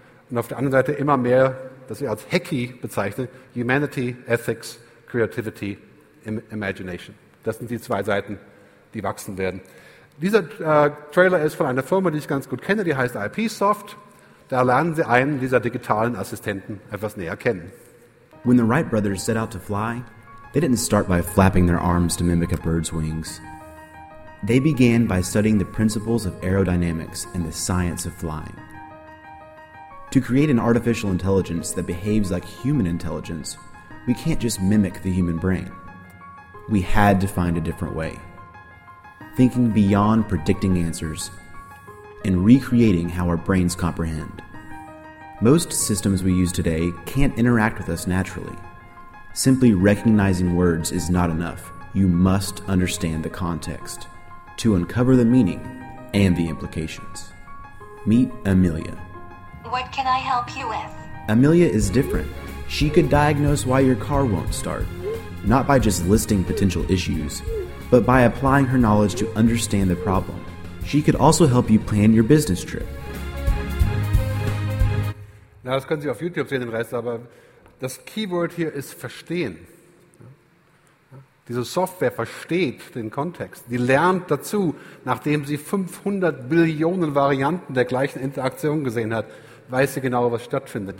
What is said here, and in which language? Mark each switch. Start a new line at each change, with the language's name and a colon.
German: Und auf der anderen Seite immer mehr, das ich als Hackie bezeichne,
English: Humanity, Ethics, Creativity, Imagination.
German: Das sind die 2 Seiten, die wachsen werden. Dieser Trailer ist von einer Firma, die ich ganz gut kenne, die heißt IPsoft. Da lernen Sie einen dieser digitalen Assistenten etwas näher kennen.
English: When the Wright brothers set out to fly, they didn't start by flapping their arms to mimic a bird's wings. They began by studying the principles of aerodynamics and the science of flying. To create an artificial intelligence that behaves like human intelligence, we can't just mimic the human brain. We had to find a different way, thinking beyond predicting answers and recreating how our brains comprehend. Most systems we use today can't interact with us naturally. Simply recognizing words is not enough. You must understand the context to uncover the meaning and the implications. Meet Amelia. What can I help you with? Amelia is different. She could diagnose why your car won't start. Not by just listing potential issues, but by applying her knowledge to understand the problem. She could also help you plan your business trip.
German: Na, das können Sie auf YouTube sehen, den Rest, aber Das Keyword hier ist verstehen. Diese Software versteht den Kontext. Die lernt dazu, nachdem sie 500 Billionen Varianten der gleichen Interaktion gesehen hat, weiß sie genau, was stattfindet.